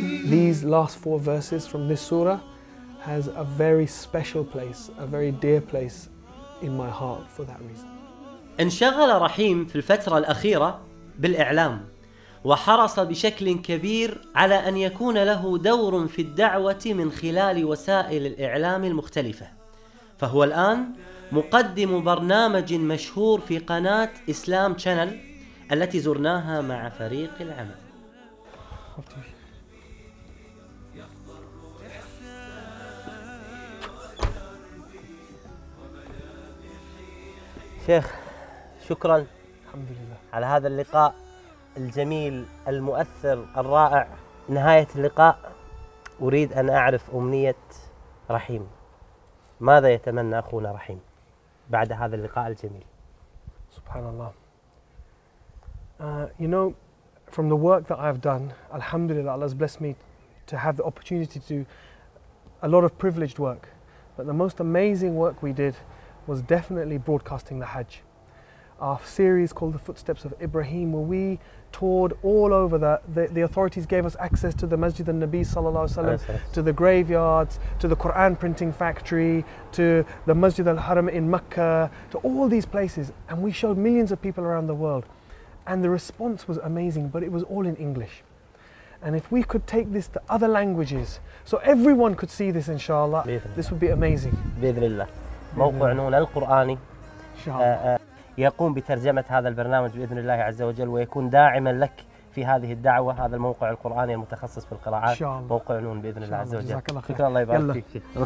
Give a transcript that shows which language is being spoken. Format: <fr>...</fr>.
<en>These last four verses from this surah has a very special place, a very dear place in my heart for that reason.</en> <ar>انشغل رحيم في الفترة الأخيرة بالإعلام، وحرص بشكل كبير على أن يكون له دور في الدعوة من خلال وسائل الإعلام المختلفة، فهو الآن مقدم برنامج مشهور في قناة إسلام شانل التي زرناها مع فريق العمل. شيخ، شكراً الحمد لله على هذا اللقاء الجميل المؤثر الرائع. نهاية اللقاء أريد أن أعرف أمنية رحيم، ماذا يتمنى أخونا رحيم بعد هذا اللقاء الجميل؟ سبحان الله.</ar> <en>You know, from the work that I've done, alhamdulillah, Allah has blessed me to have the opportunity to do a lot of privileged work, but the most amazing work we did was definitely broadcasting the Hajj. Our series called The Footsteps of Ibrahim, where we toured all over the authorities gave us access to the Masjid al-Nabi</en> <ar>sallallahu alayhi wa sallam,</ar> <en>to the graveyards, to the Quran printing factory, to the Masjid al-Haram in Mecca, to all these places. And we showed millions of people around the world. And the response was amazing, but it was all in English. And if we could take this to other languages, so everyone could see this inshallah, this would be amazing.</en> <ar>Bidhillah. موقع نون القرآني يقوم بترجمة هذا البرنامج بإذن الله عز وجل ويكون داعما لك في هذه الدعوة هذا الموقع القرآني المتخصص في القراءات موقع نون بإذن الله عز وجل شكرا الله يبارك فيك</ar>